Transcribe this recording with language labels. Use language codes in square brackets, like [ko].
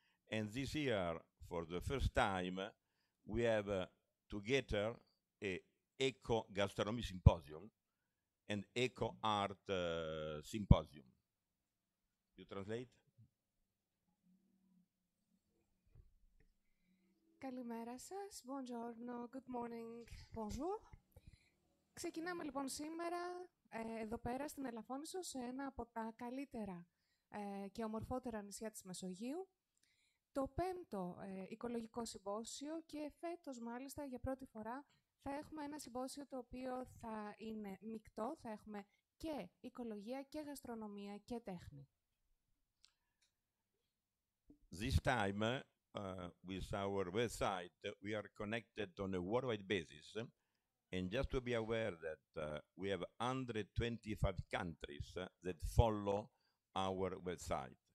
[en] And this year, for the first time, we have together a eco gastronomy symposium and eco art symposium. You translate. [el] Καλημέρα σας, [it] buongiorno, [en] good morning, [fr] bonjour. [el] Ξεκινάμε λοιπόν σήμερα εδώ πέρα στην Ελαφόνισο σε ένα από τα καλύτερα και ομορφότερα νησιά της Μεσογείου. Το πέμπτο οικολογικό συμπόσιο και φέτος μάλιστα για πρώτη φορά θα έχουμε ένα συμπόσιο το οποίο θα είναι μεικτό, θα έχουμε και οικολογία και γαστρονομία και τέχνη. [en] This time, with our website, we are connected on a worldwide basis. And just to be aware that we have 125 countries that follow our website.